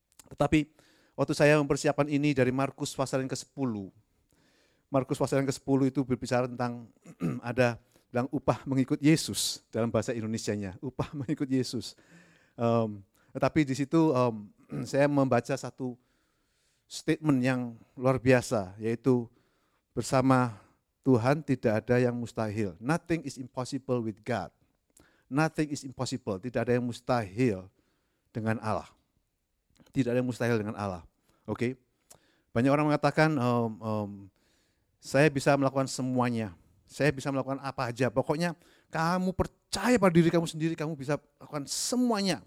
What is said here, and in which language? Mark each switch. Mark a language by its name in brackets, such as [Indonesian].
[Indonesian] Tetapi waktu saya mempersiapkan ini dari Markus pasal yang ke-10, Markus pasal yang ke-10 itu berbicara tentang ada bilang upah mengikut Yesus dalam bahasa Indonesianya, upah mengikut Yesus. Tetapi di situ saya membaca satu statement yang luar biasa, yaitu bersama Tuhan tidak ada yang mustahil. [English] Nothing is impossible with God. Nothing is impossible. [Indonesian] Tidak ada yang mustahil dengan Allah. Tidak ada yang mustahil dengan Allah. Oke. Okay? Banyak orang mengatakan saya bisa melakukan semuanya. Saya bisa melakukan apa aja. Pokoknya kamu percaya pada diri kamu sendiri, kamu bisa melakukan semuanya.